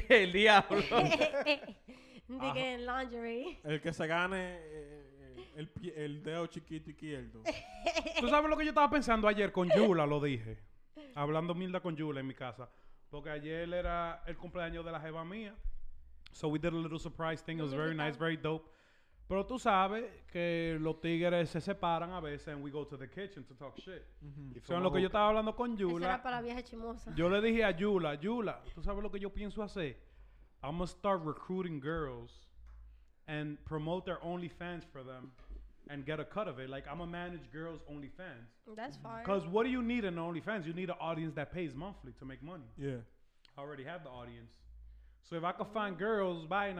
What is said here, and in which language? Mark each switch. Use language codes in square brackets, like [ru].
[es] El diablo. Dije en lingerie. El que se gane el dedo chiquito izquierdo. ¿Tú sabes lo que yo estaba pensando ayer con Yula? Lo dije. Hablando mierda con Yula en mi casa. Porque ayer era el cumpleaños de la jeva mía. [en] So we did a little surprise thing. It was very nice, very dope. [es] Pero tú sabes que los tigres se separan a veces [en] and we go to the kitchen to talk shit. [es] Mm-hmm. So en lo que yo estaba hablando con Yula, esa era para la vieja chimosa. Yo le dije a Yula, Yula, tú sabes lo que yo pienso hacer? [en] I'm going to start recruiting girls and promote their OnlyFans for them and get a cut of it. Like, I'm going to manage girls' OnlyFans. That's fine. Because what do you need in OnlyFans? You need an audience that pays monthly to make money. Yeah. I already have the audience. So if I could find girls buying...